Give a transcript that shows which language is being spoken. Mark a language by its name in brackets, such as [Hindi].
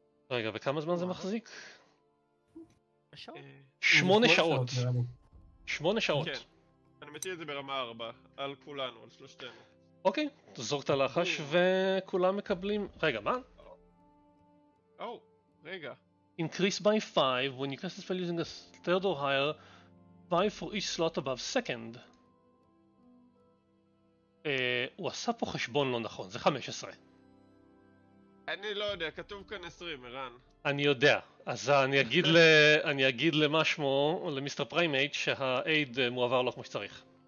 [Hebrew] רגע, וכמה זמן זה מחזיק? 8 שעות. 8 שעות. כן. אני מתיר את זה ברמה 4, על כולנו, על שלושתנו. אוקיי, תזורת הלחש וכולם מקבלים... רגע, מה? או, רגע. [English] Increase by 5 when you cast a spell using a third or higher, 5 for each slot above second. [Hebrew] הוא עשה פה חשבון לא נכון, זה 15. אני לא יודע, כתוב כאן 20, ערן. אני יודע, אז אני אגיד, אני אגיד למה שמו, למיסטר פריימייט, שהאיד מועבר לו כמו שצריך.